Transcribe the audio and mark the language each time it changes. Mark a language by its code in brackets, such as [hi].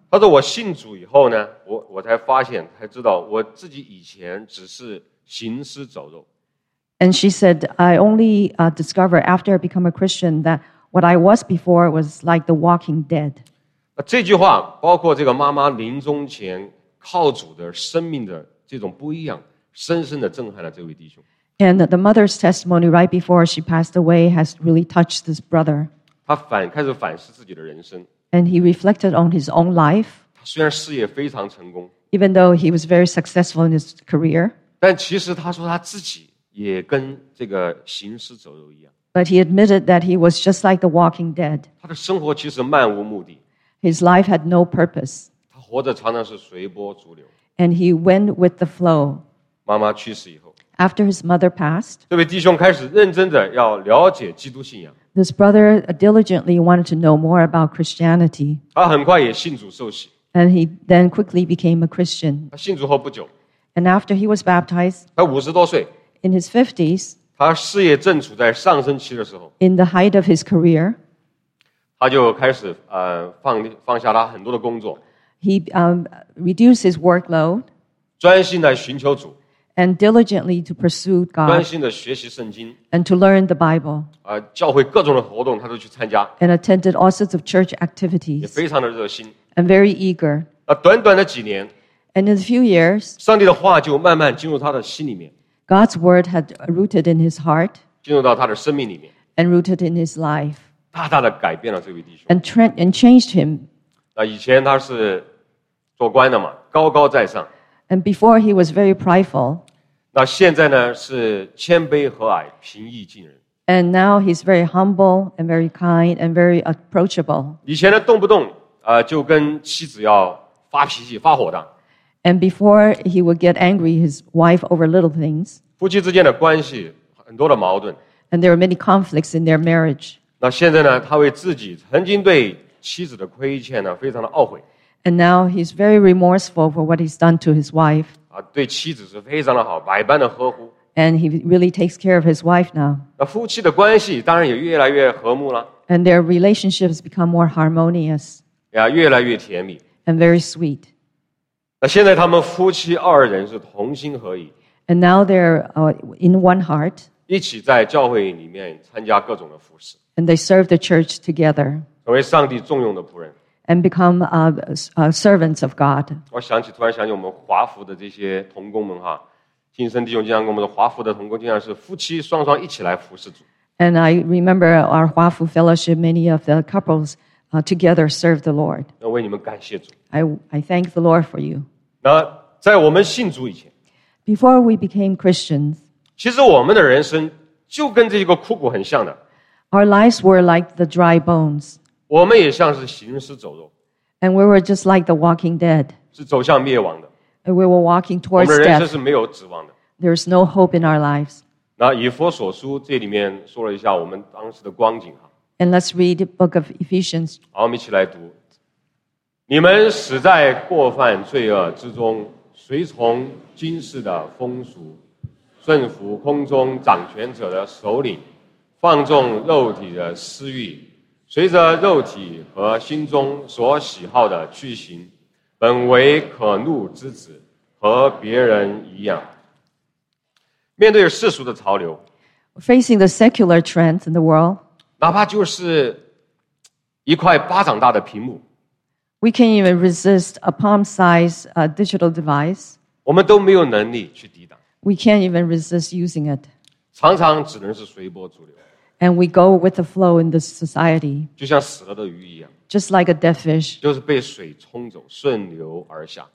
[zh] 他说：“我信主以后呢，我才发现，才知道我自己以前只是行尸走肉。” [en] And she said, "I only discovered after I become a Christian that what I was before was like the walking dead." [zh] 这句话包括这个妈妈临终前靠主的生命的这种不一样，深深的震撼了这位弟兄。 [en] And the mother's testimony right before she passed away has really touched this brother. [zh] 他开始反思自己的人生。 [en] And he reflected on his own life. [zh] 虽然事业非常成功 [en] even though he was very successful in his career. [zh] 但其实他说他自己也跟这个行尸走肉一样 [en] But he admitted that he was just like the walking dead. [zh] 他的生活其实漫无目的 [en] His life had no purpose. [zh] 他活着常常是随波逐流 [en] And he went with the flow. [zh] 妈妈去世以后 [en] After his mother passed. [zh] 这位弟兄开始认真的要了解基督信仰 [en] This brother diligently wanted to know more about Christianity. [zh] 他很快也信主受洗。 [en] And he then quickly became a Christian. [zh] 他信主后不久。 [en] And after he was baptized. [zh] 他五十多岁。 [en] In his 50s. [zh] 他事业正处在上升期的时候。 [en] In the height of his career. [zh] 他就开始放下他很多的工作。 [en] He reduced his workload. [zh] 专心来寻求主。 [en] And diligently to pursue God. [zh] 专心的学习圣经。 [en] And to learn the Bible. [zh] 教会各种的活动他都去参加。 [en] And attended all sorts of church activities. [zh] 也非常的热心。 [en] And very eager. [zh] 短短的几年。 [en] And in a few years. [zh] 上帝的话就慢慢进入他的心里面。 [en] God's word had rooted in his heart. [zh] 进入到他的生命里面。 [en] And rooted in his life. [zh] 大大的改变了这位弟兄。 [en] And changed him. [zh] 以前他是做官的嘛，高高在上。 [en] And before he was very prideful. [zh] 那现在呢是谦卑和蔼，平易近人。 [en] And now he's very humble and very kind and very approachable. [zh] 以前呢动不动就跟妻子要发脾气发火的。 [en] And before he would get angry his wife over little things. [zh] 夫妻之间的关系很多的矛盾。 [en] And there were many conflicts in their marriage. [zh] 那现在呢他为自己曾经对妻子的亏欠呢非常的懊悔。 [en] And now he's very remorseful for what he's done to his wife. [zh] 对妻子是非常的好，百般的呵护。 [en] And he really takes care of his wife now. [zh] 那夫妻的关系当然也越来越和睦了。 [en] And their relationships become more harmonious. [zh] 越来越甜蜜。 [en] And very sweet. [zh] 那现在他们夫妻二人是同心合意。 [en] And now they're in one heart. [zh] 一起在教会里面参加各种的服事。 [en] And they serve the church together. [zh] 成为上帝重用的仆人。 [en] And become servants of God. [zh] 我想起突然想起我们华福的这些同工们哈，金生弟兄经常跟我们说，华福的同工经常是夫妻双双一起来服侍主。 [en] And I remember our 华福 fellowship, many of the couples together serve the Lord. [zh] 那为你们感谢主。 [en] I thank the Lord for you. [zh] 那在我们信主以前 [en] ，before we became Christians， [zh] 其实我们的人生就跟这个枯骨很像的。 [en] Our lives were like the dry bones. [zh] 我们也像是行尸走肉 [en] ，and we were just like the walking dead， [zh] 是走向灭亡的 [en] ，and we were walking towards death。 [zh] 我们人生是没有指望的 [en] ，there's no hope in our lives。 [zh] 那以弗所书这里面说了一下我们当时的光景哈 [en] ，and let's read the book of Ephesians。 [zh] 好，我们一起来读。你们死在过犯罪恶之中，随从今世的风俗，顺服空中掌权者的首领，放纵肉体的私欲。随着肉体和心中所喜好的去行，本为可怒之子，和别人一样。面对世俗的潮流 [en] ，facing the secular trends in the world， [zh] 哪怕就是一块巴掌大的屏幕 [en] ，we can even resist a palm-sized digital device， [zh] 我们都没有能力去抵挡 [en] ，we can't even resist using it， [zh] 常常只能是随波逐流。 [en] And we go with the flow in this society. [zh] 就像死了的鱼一样 [en] Just like a dead fish. [zh] 就是被水冲走，顺流而下